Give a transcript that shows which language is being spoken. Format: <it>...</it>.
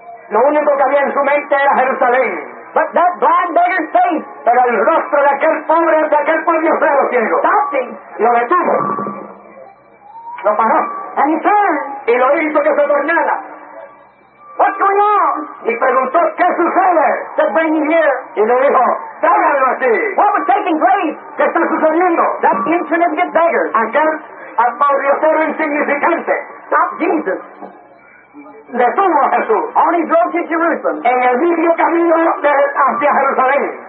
<es>Lo único que había en su mente era Jerusalén.</es> <en>But that blind beggar's face.</en> <es>Pero el rostro de aquel pobre, de aquel pueblo ciego.</es> <en>Stopped him.</en> <es>Lo detuvo. Lo paró.</es> <en>And he turned.</en> <es>Y lo hizo que se tornara.</es> <en>What's going on?</en> <es>Y preguntó, ¿qué sucede?</es> <en>To bring him here.</en> <es>Y le dijo, tráigalo aquí.</es> <en>What was taking place?</en> <es>¿Qué está sucediendo?</es> <en>That insignificant beggar.</en> <es>Aquel pobre ciego insignificante.</es> <en>Stop Jesus.</en> <es>Detuvo a Jesús.</es> <en>On his road to Jerusalem.</en> <es>En el mismo camino hacia Jerusalén.</es>